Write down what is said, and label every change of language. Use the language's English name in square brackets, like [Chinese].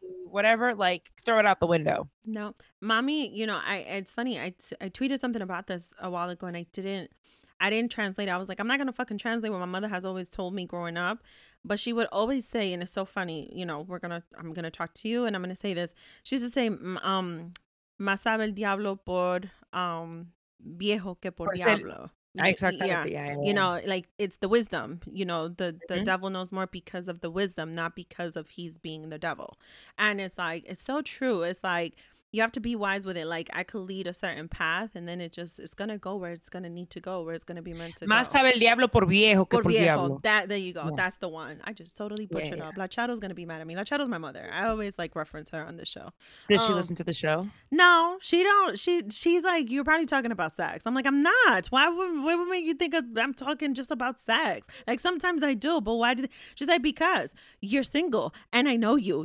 [English] Whatever, like, throw it out the window. No. Mommy, you know, I tweeted something about this a while ago and I didn't translate. I was like, I'm not going to fucking translate what my mother has always told me growing up. But she would always say, and it's so funny, you know, I'm going to talk to you and I'm going to say this. She used to say, más sabe el diablo por viejo que por diablo. You know, like, it's the wisdom, you know, the mm-hmm. devil knows more because of the wisdom, not because of he's being the devil. And it's like, it's so true. It's like, you have to be wise with it. Like, I could lead a certain path, and then it just, it's going to go where it's going to need to go, where it's going to be meant to go. [Spanish] Más sabe el diablo por viejo que por diablo. [English] That, there you go. Yeah. That's the one. I just totally butchered up. La Chato's going to be mad at me. La Chato's my mother. I always, like, reference her on the show. Does she listen to the show? No, she don't. She's like, you're probably talking about sex. I'm like, I'm not. Why would make you think of, I'm talking just about sex? Like, sometimes I do, but why do they? She's like, because you're single, and I know you.